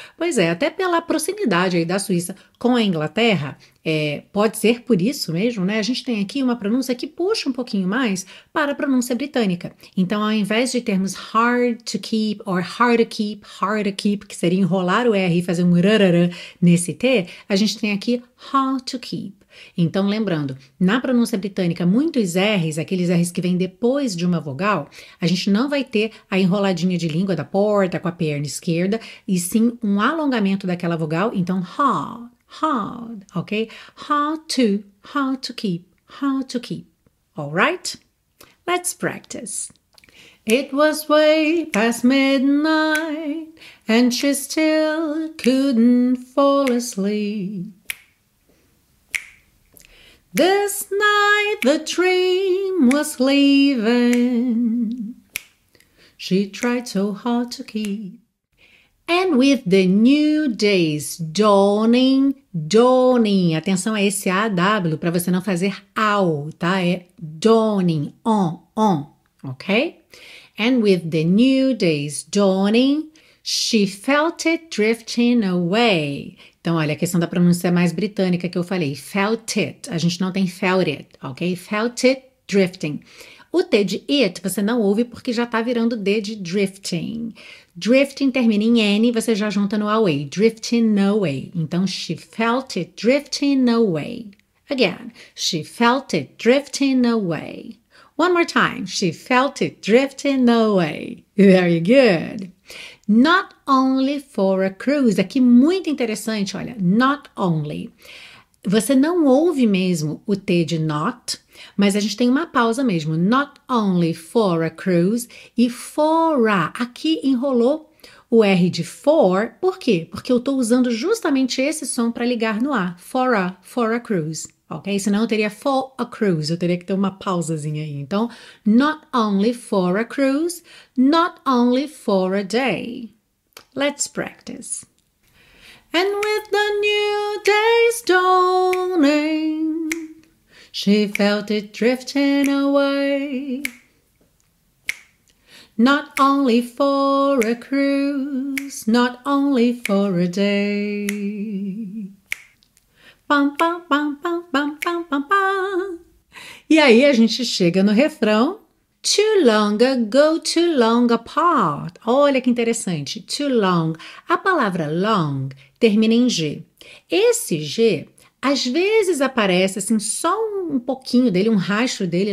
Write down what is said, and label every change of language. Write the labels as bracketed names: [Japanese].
[Portuguese] Pois é, até pela proximidade aí da Suíça com a Inglaterra, pode ser por isso mesmo, né? A gente tem aqui uma pronúncia que puxa um pouquinho mais para a pronúncia britânica. Então, ao invés de termos [English] hard to keep or hard to keep, [Portuguese] que seria enrolar o R e fazer um rarara nesse T, a gente tem aqui [English] hard to keep. [Portuguese] Então, lembrando, na pronúncia britânica, muitos R's, aqueles R's que vêm depois de uma vogal, a gente não vai ter a enroladinha de língua da porta com a perna esquerda, e sim um alongamento daquela vogal. Então, [English] hard, hard, ok? Hard to keep, hard to keep. All right? Let's practice. It was way past midnight, and she still couldn't fall asleep. This night the dream was leaving. She tried so hard to keep. And with the new days dawning, dawning. [Portuguese] Atenção a esse AW para você não fazer ao, tá? É dawning, on, ok? [English] And with the new days dawning, she felt it drifting away. [Portuguese] Então, olha, a questão da pronúncia mais britânica que eu falei. [English] Felt it. [Portuguese] A gente não tem [English] felt it, [Portuguese] ok? [English] Felt it drifting. [Portuguese] O T de it você não ouve porque já tá virando D de drifting. Drifting termina em N, você já junta no away. [English] Drifting away. [Portuguese] Então, [English] she felt it drifting away. Again, she felt it drifting away. One more time. She felt it drifting away. Very good. Not only for a cruise. [Portuguese] Aqui muito interessante, olha. [English] Not only. [Portuguese] Você não ouve mesmo o T de not, mas a gente tem uma pausa mesmo. [English] Not only for a cruise. [Portuguese] E [English] for a. [Portuguese] Aqui enrolou o R de for. Por quê? Porque eu estou usando justamente esse som para ligar no A. [English] For a cruise. [Portuguese] Ok? Senão eu teria [English] for a cruise, [Portuguese] eu teria que ter uma pausazinha aí. Então, [English] not only for a cruise, not only for a day. Let's practice. And with the new days dawning, she felt it drifting away. Not only for a cruise, not only for a day. Pam, pam, pam, pam, pam, pam, pam. [Portuguese] E aí a gente chega no refrão. [English] Too long ago, too long apart. [Portuguese] Olha que interessante. [English] Too long. [Portuguese] A palavra long termina em G. Esse G, às vezes aparece assim, só um pouquinho dele, um rastro dele.